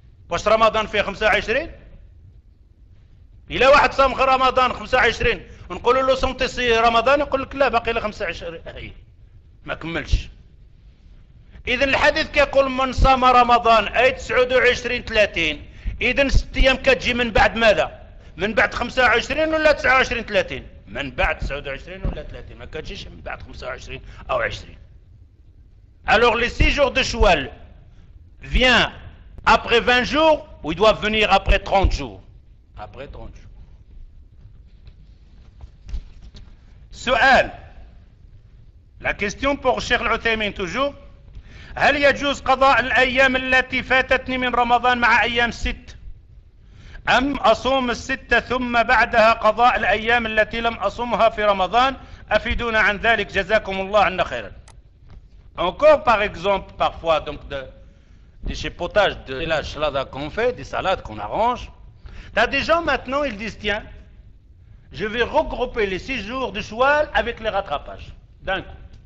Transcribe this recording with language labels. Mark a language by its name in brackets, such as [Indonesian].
[Arabic] واش رمضان فيه 25؟ إلا واحد صام رمضان 25 ونقول له صمت رمضان يقول لك لا باقي له 25 ما كملش. إذن الحديث كيقول من صام رمضان أي 29 30، إذن 6 أيام كتجي من بعد ماذا؟ من بعد 25 ولا 29 30؟ من بعد 29 ولا 30، ما كتجيش من بعد 25 أو 20. [French] Alors les 6 jours de Shawwal vient après 20 jours ou ils doivent venir après 30 jours. Après 30 jours. [Arabic] سؤال. [French] La question pour Cheikh Al-Uthaymin toujours. [Arabic] هل يجوز قضاء الأيام التي فاتتني من رمضان مع أيام ست؟ أم أصوم الستة ثم بعدها قضاء الأيام التي لم أصومها في رمضان؟ أفيدونا عن ذلك جزاكم الله عنا خيرا. [French] Encore par exemple, parfois, donc des chipotages, de la chalada qu'on fait, des salades qu'on arrange. Tu as des gens maintenant, ils disent, tiens, je vais regrouper les 6 jours de Shawwal avec les rattrapages, d'un coup.